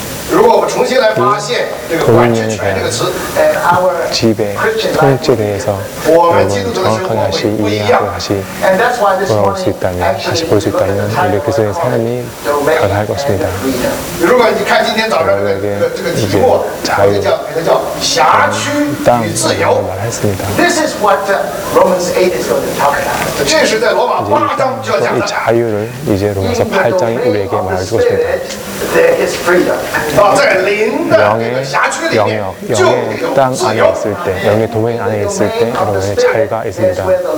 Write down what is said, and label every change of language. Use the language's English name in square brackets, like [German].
[Chinese] 如果我们重新来发现这个管制权这个词，基本统治的意思，我们基督徒的生活会不一样。 [English] And that's why this morning, actually, we can see that the domain of freedom. [Chinese] 如果你看今天早上这个题目，我们叫给它叫辖区与自由。 [English] This is what Romans 8 is going to talk about. [Chinese] 这是在罗马八章就要讲的。 [Korean] 이자유를이제로마서8장우리에게말해주고있습니다 [English] There is freedom. [Chinese] 在灵的辖区里面，就有自由。当安逸时的，当你同位安逸时的，而我们的差异在什么？